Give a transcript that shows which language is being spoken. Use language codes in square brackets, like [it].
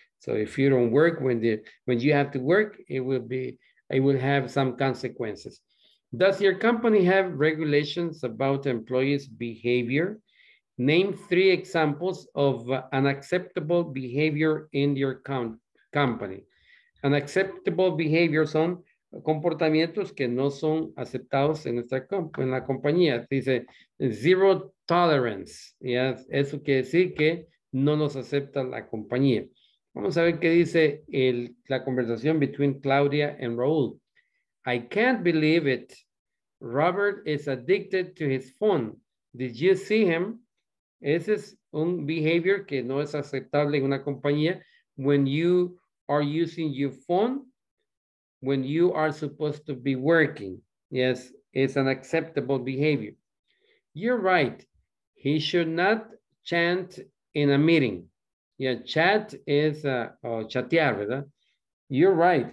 [en] So if you don't work when you have to work, it will have some consequences. Does your company have regulations about employees' behavior? Name three examples of unacceptable behavior in your company. Unacceptable behavior [es] son comportamientos que no son aceptados en nuestra en la compañía. Dice zero tolerance. Yes, eso quiere decir que no nos acepta la compañía. Vamos a ver qué dice la conversación between Claudia and Raúl. [en] I can't believe it. Robert is addicted to his phone. Did you see him? [es] Ese es un behavior que no es aceptable en una compañía. [en] When you are using your phone, when you are supposed to be working. Yes, it's an acceptable behavior. You're right. He should not chant in a meeting. Yeah, chat is [es] chatear, ¿verdad? [en] You're right.